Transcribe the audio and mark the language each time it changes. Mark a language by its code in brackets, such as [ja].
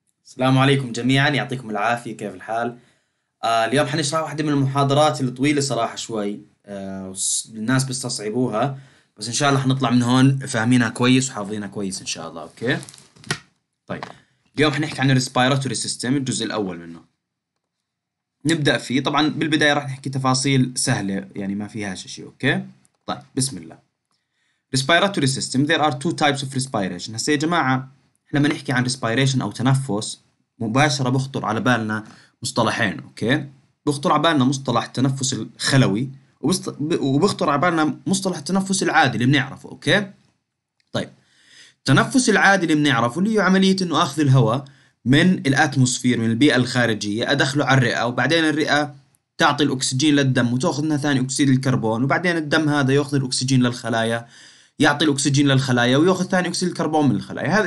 [ar] السلام عليكم جميعا، يعطيكم العافية. كيف الحال؟ اليوم حنشرح واحدة من المحاضرات الطويلة صراحة شوي، الناس بتستصعبوها، بس إن شاء الله حنطلع من هون فاهمينها كويس وحافظينها كويس إن شاء الله. أوكي، طيب اليوم حنحكي عن الريسبيراتوري سيستم، الجزء الأول منه نبدأ فيه. طبعا بالبداية راح نحكي تفاصيل سهلة، يعني ما فيهاش شيء. أوكي، طيب بسم الله. [en] respiratory system there are two types of respiration. [ar] هسه يا جماعة لما نحكي عن respiration أو تنفس مباشرة بخطر على بالنا مصطلحين. أوكي، بخطر على بالنا مصطلح التنفس الخلوي وبخطر على بالنا مصطلح التنفس العادي اللي بنعرفه. أوكي، طيب التنفس العادي اللي بنعرفه اللي هو عملية إنه أخذ الهواء من الأتموسفير من البيئة الخارجية أدخله على الرئة، وبعدين الرئة تعطي الأكسجين للدم وتأخذ منها ثاني أكسيد الكربون، وبعدين الدم هذا يأخذ الأكسجين للخلايا يعطي الاكسجين للخلايا وياخذ ثاني اكسيد الكربون من الخلايا.